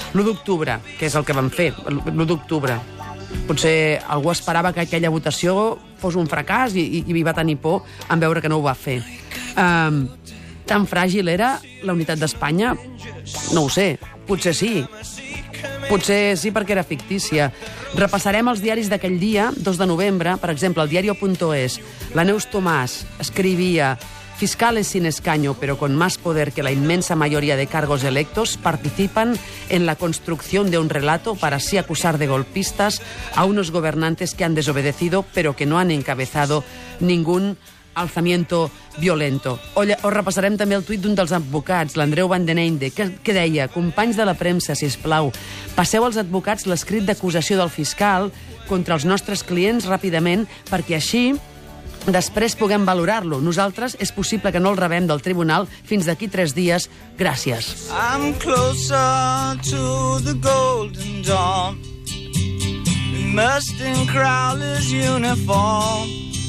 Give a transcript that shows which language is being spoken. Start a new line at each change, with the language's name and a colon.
Catalan: L'1 d'octubre, que és el que vam fer, l'1 d'octubre, potser algú esperava que aquella votació fos un fracàs i va tenir por en veure que no ho va fer. Tan fràgil era la unitat d'Espanya? No ho sé, potser sí. Potser sí, perquè era fictícia. Repassarem els diaris d'aquell dia, 2 de novembre. Per exemple, el diario.es, la Neus Tomàs escrivia:
Spanish: "Fiscales sin escaño, pero con más poder que la inmensa mayoría de cargos electos, participan en la construcción de un relato para así acusar de golpistas a unos gobernantes que han desobedecido, pero que no han encabezado ningún alzamiento violento".
Catalan: O repassarem també el tuit d'un dels advocats, l'Andreu Vandeneinde, que deia: "Companys de la premsa, si us plau, passeu als advocats l'escrit d'acusació del fiscal contra els nostres clients ràpidament, perquè així després puguem valorar-lo. Nosaltres és possible que no el rebem del tribunal fins d'aquí 3 dies. Gràcies".
English: I'm closer to the golden dawn, immersed in Crowley's uniform.